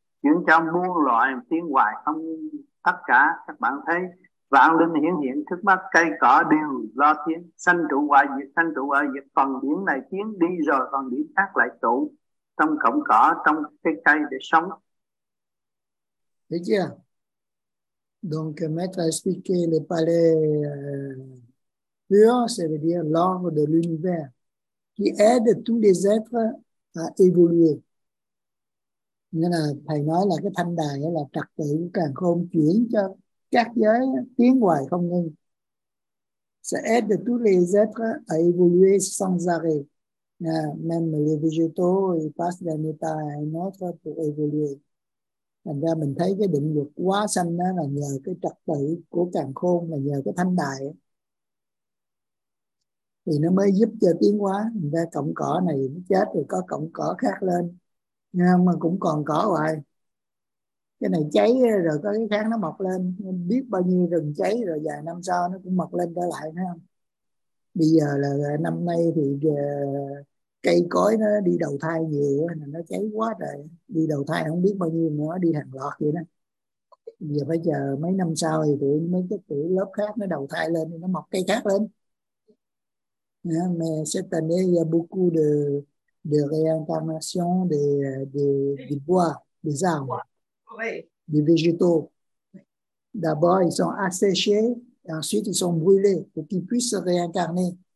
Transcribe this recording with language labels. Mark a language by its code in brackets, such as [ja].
[vi] Khiến cho muôn loại thiên hoài không tất cả các bạn thấy. Vạn linh hiển hiện thức mắt cây cỏ đều lo thiên. Sanh trụ hoài diệt, sanh trụ hoài diệt. Phần điểm này tiến đi rồi còn điểm khác lại trụ. Trong cổng cỏ, trong cây cây để sống. Thấy chưa? [fr] Donc, maître a expliqué le palais pur, c'est-à-dire l'ordre de l'univers, qui aide tous les êtres à évoluer. [vi] Nên là thầy nói là cái thanh đài là trật tự của càn khôn chuyển cho các giới tiến hoài không ngừng. [fr] Ça aide tous les êtres à évoluer sans arrêt. Même les végétaux, ils passent d'un état à un autre pour évoluer. [vi] Thành ra mình thấy cái định luật quá xanh đó là nhờ cái trật tự của càn khôn, là nhờ cái thanh đài. Thì nó mới giúp cho tiến hóa. Thành ra cọng cỏ này nó chết rồi có cọng cỏ khác lên. Nhưng mà cũng còn cỏ hoài. Cái này cháy rồi có cái khác nó mọc lên. Biết bao nhiêu rừng cháy rồi vài năm sau nó cũng mọc lên trở lại. Thấy không? Bây giờ là năm nay thì cây cối nó đi đầu thai nhiều, nó cháy quá rồi. Đi đầu thai không biết bao nhiêu nữa, đi hàng loạt vậy đó. Giờ phải chờ mấy năm sau thì tụi mấy cái tuổi lớp khác nó đầu thai lên, nó mọc cây khác lên. [fr] Mais cette année, il y a beaucoup de réincarnation des bois, des arbres, des végétaux. D'abord, ils sont asséchés, et ensuite ils sont brûlés pour qu'ils puissent se réincarner.